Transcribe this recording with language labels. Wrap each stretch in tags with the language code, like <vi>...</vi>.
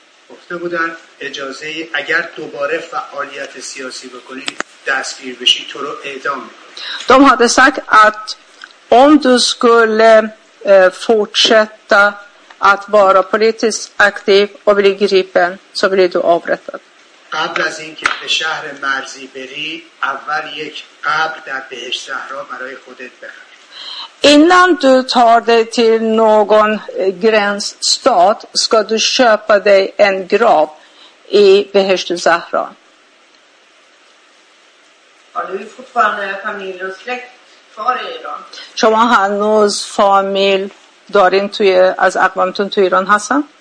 <fa>گفته بودن اجازه اگر دوباره فعالیت سیاسی بکنی دستگیر بشی تو رو اعدام میکنم.</fa> <sv>De hade sagt att om du skulle fortsätta att vara politiskt aktiv och bli gripen så blir du avrättad.</sv> <fa>قبل از اینکه به شهر مرزی بری اول یک قبر در بهشت صحرا برای خودت بخر.</fa> <sv>Innan du tar dig till någon gränsstat ska du köpa dig en grav i Behesht Zahra. Har du fortfarande familj och släkt kvar i Iran?</sv> <fa>Shoma hanuz familj darin az aqvamtun tu Iran hasan?</fa>